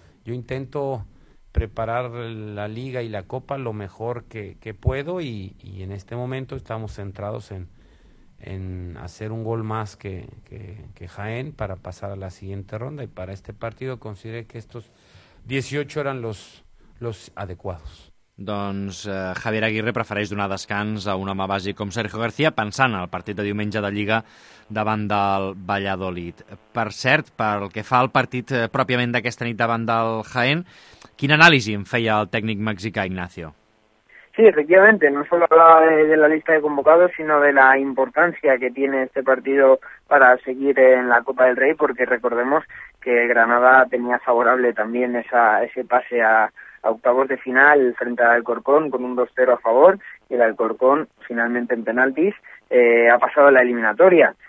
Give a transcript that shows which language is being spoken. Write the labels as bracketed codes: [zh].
[es] Yo intento preparar la liga y la copa lo mejor que puedo y en este momento estamos centrados en hacer un gol más que Jaén para pasar a la siguiente ronda, y para este partido consideré que estos 18 eran los adecuados. [ca] Doncs Javier Aguirre prefereix donar descans a un home bàsic com Sergio García pensant en el partit de diumenge de Lliga davant del Valladolid. Per cert, pel que fa al partit pròpiament d'aquesta nit davant del Jaén, quina anàlisi en feia el tècnic mexicà Ignacio? [es] Sí, efectivamente, no solo hablaba de la lista de convocados, sino de la importancia que tiene este partido para seguir en la Copa del Rey, porque recordemos que Granada tenía favorable también ese pase a octavos de final frente al Alcorcón con un 2-0 a favor, y el Alcorcón finalmente en penaltis ha pasado a la eliminatoria.